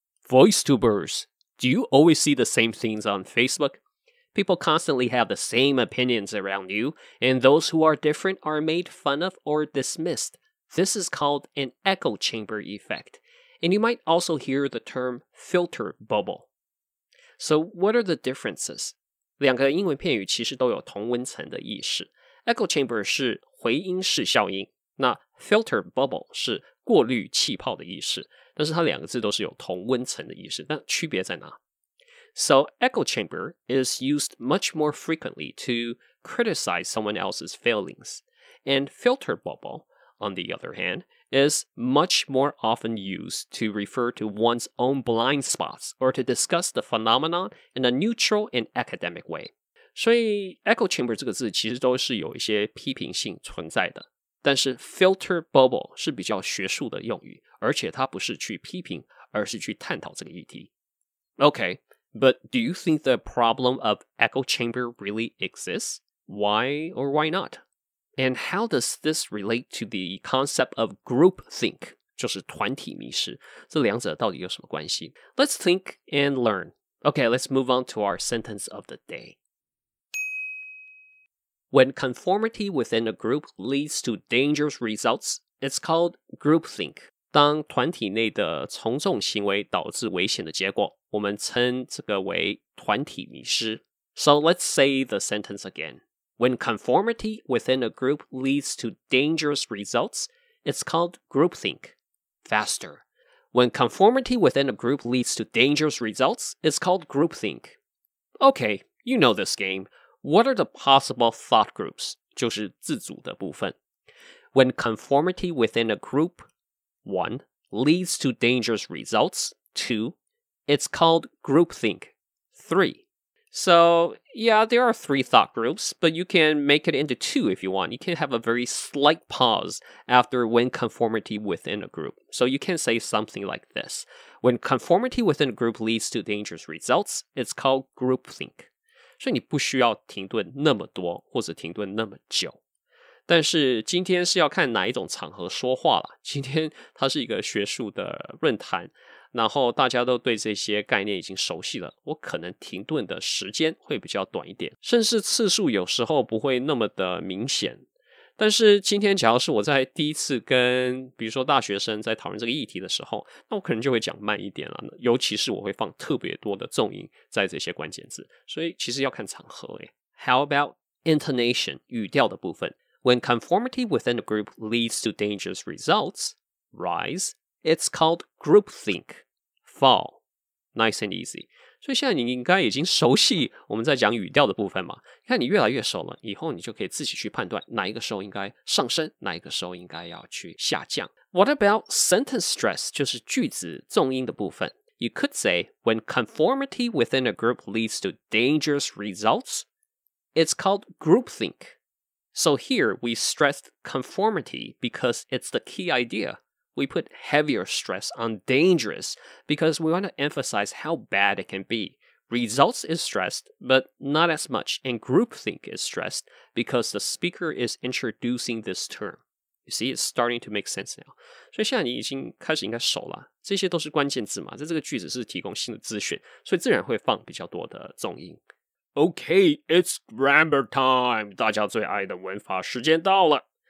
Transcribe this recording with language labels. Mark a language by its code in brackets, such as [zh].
[en] VoiceTubers, do you always see the same things on Facebook? People constantly have the same opinions around you, and those who are different are made fun of or dismissed. This is called an echo chamber effect, and you might also hear the term filter bubble. So what are the differences? [zh] 两个英文片语其实都有同温层的意思。 Echo chamber 是回音室效应，那 filter bubble 是过滤气泡的意思，但是它两个字都是有同温层的意思，那区别在哪？ [en] So echo chamber is used much more frequently to criticize someone else's failings. And filter bubble, on the other hand, is much more often used to refer to one's own blind spots or to discuss the phenomenon in a neutral and academic way. [zh] 所以 echo chamber 这个字其实都是有一些批评性存在的。但是 filter bubble 是比较学术的用语，而且它不是去批评，而是去探讨这个议题。 [en] Okay, but do you think the problem of echo chamber really exists? Why or why not? And how does this relate to the concept of groupthink? [zh] 就是团体迷失，这两者到底有什么关系？ [en] Let's think and learn. Okay, let's move on to our sentence of the day. When conformity within a group leads to dangerous results, it's called groupthink. [zh] 当团体内的从众行为导致危险的结果，我们称这个为团体迷失。 [en] So let's say the sentence again. When conformity within a group leads to dangerous results, it's called groupthink. Faster. When conformity within a group leads to dangerous results, it's called groupthink. Okay, you know this game. What are the possible thought groups? [zh] 就是自组的部分。 [en] When conformity within a group, 1, leads to dangerous results, 2, it's called groupthink, 3. So, yeah, there are 3 thought groups, but you can make it into 2 if you want. You can have a very slight pause after when conformity within a group. So you can say something like this. When conformity within a group leads to dangerous results, it's called groupthink. [zh] 所以你不需要停顿那么多或者停顿那么久。但是今天是要看哪一种场合说话啦。今天它是一个学术的论坛，然后大家都对这些概念已经熟悉了，我可能停顿的时间会比较短一点，甚至次数有时候不会那么的明显。但是今天假如是我在第一次跟比如说大学生在讨论这个议题的时候，那我可能就会讲慢一点了，尤其是我会放特别多的重音在这些关键字，所以其实要看场合耶。 [en] How about intonation, [zh] 语调的部分。 [en] When conformity within a group leads to dangerous results, rise, it's called groupthink, fall, nice and easy. [zh] 所以现在你应该已经熟悉我们在讲语调的部分嘛，你看你越来越熟了，以后你就可以自己去判断哪一个时候应该上升，哪一个时候应该要去下降。 [en] What about sentence stress? [zh] 就是句子重音的部分。 [en] You could say, when conformity within a group leads to dangerous results, it's called groupthink. So here, we stressed conformity because it's the key idea. We put heavier stress on dangerous because we want to emphasize how bad it can be. Results is stressed, but not as much. And groupthink is stressed because the speaker is introducing this term. You see, it's starting to make sense now. [zh] 所以现在你已经开始应该熟了。这些都是关键字嘛，在这个句子是提供新的资讯，所以自然会放比较多的重音。 [en] Okay, it's grammar time. [zh] 大家最爱的文法时间到了。